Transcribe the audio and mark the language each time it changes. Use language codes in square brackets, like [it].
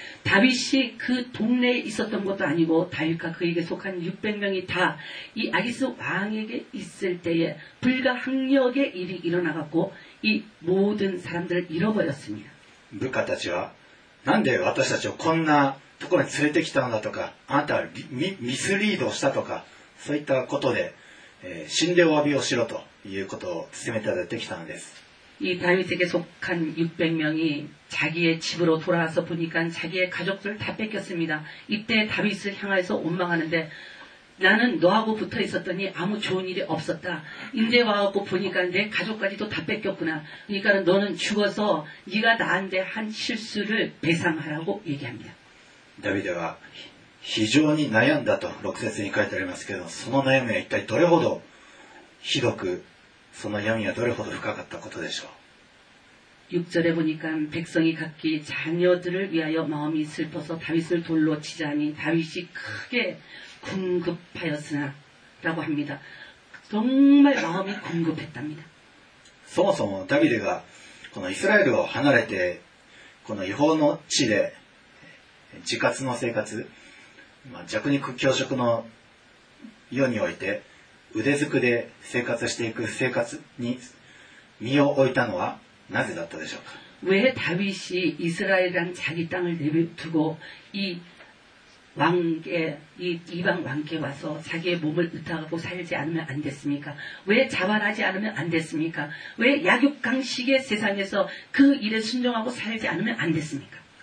[ko] 다윗이그동네에있었던것도아니고다윗과그에게속한600명이다이아기스왕에게있을때에불가항력의일이일어나갖고이모든사람들을잃어버렸습니다 [ja] 部下たちはなんで私たちをこんなところに連れてきたのだとかあなたはミスリードしたとかそういったことで死んでお詫びをしろということを責め立ててきたのです [ko] 이 다윗에게 속한 600명이 자기의 집으로 돌아와서 보니까 자기의 가족들 다 뺏겼습니다. 이때 다윗을 향해서 원망하는데 나는 너하고 붙어 있었더니 아무 좋은 일이 없었다. 이제 와갖고 보니까 내 가족까지도 다 뺏겼구나. 그러니까 너는 죽어서 네가 나한테 한 실수를 배상하라고 얘기합니다. [ja] 다윗은 非常に 悩んだと 6節に 書いてありますけど その 悩みは 一体 どれほど ひどく その 闇は どれほど 深かったことでしょう. [ko] 6절에 보니까 백성이 각기 자녀들을 위하여 마음이 슬퍼서 다윗을 돌로 치자니 다윗이 크게 궁급하였으나 라고 합니다. 정말 마음이 궁급했답니다. [ja] そもそも 다윗이가 이스라엘을 離れて [ko] 이방의 [ja] 地で 自活の生活, 弱肉強食の世において 腕づくで生活していく生活に身を置いたのは なぜだったでしょうか? [ko] 왜 다윗이 이스라엘이란 자기 땅을 내두고 이 왕계, 이 이방 왕계 와서 자기의 몸을 의탁하고 살지 않으면 안 됐습니까? 왜 자발하지 않으면 안 됐습니까? 왜 약육강식의 세상에서 그 일에 순종하고 살지 않으면 안 됐습니까?